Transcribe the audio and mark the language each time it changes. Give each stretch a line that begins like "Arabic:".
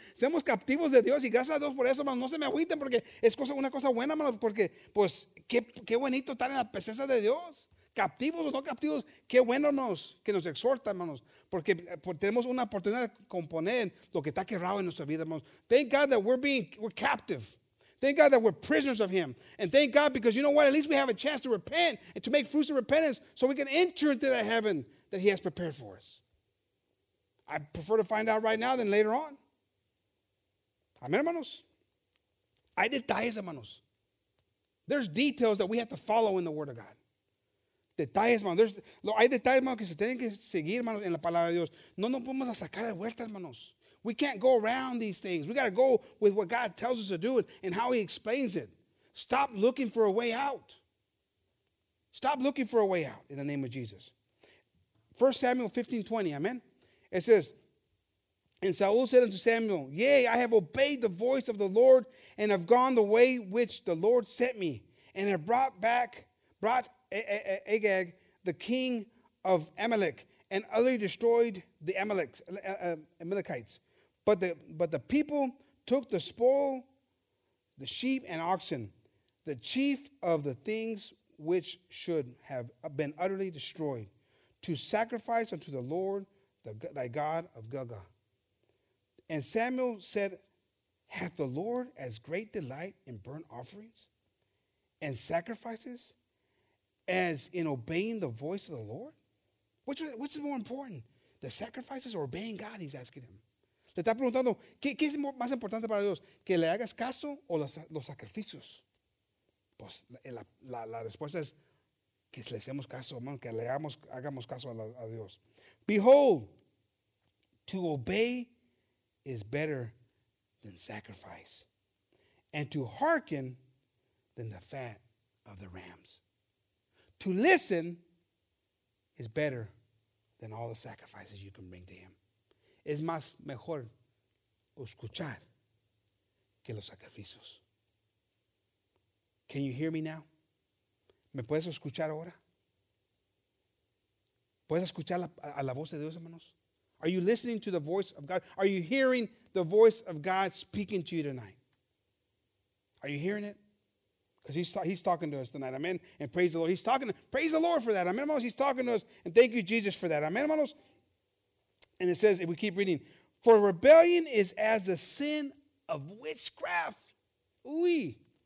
Spanish: Somos captivos de Dios. Y gracias a Dios por eso, hermanos. No se me agüiten, porque es cosa, una cosa buena, hermanos. Porque, pues, qué bonito estar en la presencia de Dios. Captivos o no captivos, qué bueno que nos exhorta, hermanos. Porque tenemos una oportunidad de componer lo que está quebrado en nuestra vida, hermanos.
English: Thank God that we're captive. Thank God that we're prisoners of Him. And thank God, because you know what? At least we have a chance to repent and to make fruits of repentance so we can enter into the heaven that He has prepared for us. I prefer to find out right now than later on. Amen, hermanos.
Spanish: Hay detalles, hermanos.
English: There's details that we have to follow in the Word of God.
Spanish: Detalles, hermanos. Hay detalles, hermanos, que se tienen que seguir, hermanos, en la palabra de Dios. No podemos sacar de vuelta, hermanos.
English: We can't go around these things. We got to go with what God tells us to do and how He explains it. Stop looking for a way out. Stop looking for a way out in the name of Jesus. 1 Samuel 15:20, amen. It says, "And Saul said unto Samuel, Yea, I have obeyed the voice of the Lord and have gone the way which the Lord sent me, and have brought Agag, the king of Amalek, and utterly destroyed the Amalekites. But the people took the spoil, the sheep and oxen, the chief of the things which should have been utterly destroyed, to sacrifice unto the Lord, thy God of Gilgal. And Samuel said, Hath the Lord as great delight in burnt offerings and sacrifices as in obeying the voice of the Lord?" What's more important, the sacrifices or obeying God? He's asking him.
Spanish: Le está preguntando, ¿qué es más importante para Dios? ¿Que le hagas caso o los sacrificios? Pues la respuesta es que le hacemos caso, hermano, que le hagamos caso a Dios.
English: "Behold, to obey is better than sacrifice, and to hearken than the fat of the rams. To listen is better than all the sacrifices you can bring to Him."
Spanish: Es más mejor escuchar que los sacrificios.
English: Can you hear me now?
Spanish: ¿Me puedes escuchar ahora? ¿Puedes escuchar a la voz de Dios, hermanos?
English: Are you listening to the voice of God? Are you hearing the voice of God speaking to you tonight? Are you hearing it? Because he's talking to us tonight. Amen. And praise the Lord. Praise the Lord for that. Amen, hermanos. He's talking to us. And thank you, Jesus, for that. Amen, hermanos. And it says, if we keep reading, "For rebellion is as the sin of witchcraft." Uy.